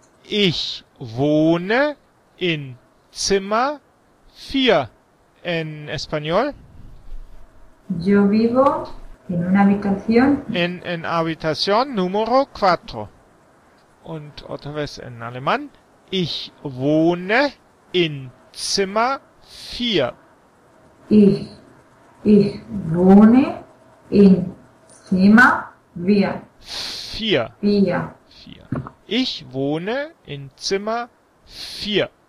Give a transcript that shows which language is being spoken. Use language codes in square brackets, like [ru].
[de] Ich wohne in Zimmer vier. [es] En español. Yo vivo en una habitación. En habitación número cuatro. [de] Und [es] otra vez en alemán. [de] Ich wohne in Zimmer vier. Ich wohne in Zimmer vier. Vier. Vier. Vier. Ich wohne in Zimmer vier.